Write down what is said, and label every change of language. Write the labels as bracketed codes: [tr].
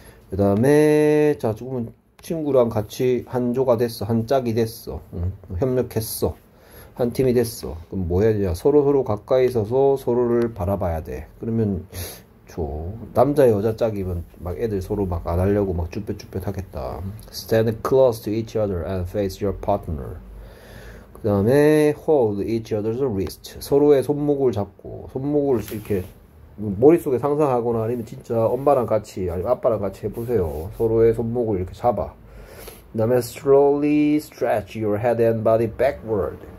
[ko] 그 다음에, 자, 조금은 친구랑 같이 한 조가 됐어. 한 짝이 됐어. 응, 협력했어. 한 팀이 됐어. 그럼 뭐 해야 되냐? 서로서로 가까이 서서 서로를 바라봐야 돼. 그러면 좋아. 남자 여자 짝이면 막 애들 서로 막안 하려고 막 쭈뼛쭈뼛 하겠다. [en] Stand close to each other and face your partner. [ko] 그 다음에 [en] hold each other's wrist. [ko] 서로의 손목을 잡고, 손목을 이렇게 머릿속에 상상하거나 아니면 진짜 엄마랑 같이 아니면 아빠랑 같이 해보세요. 서로의 손목을 이렇게 잡아. 그다음에 [en] slowly stretch your head and body backward.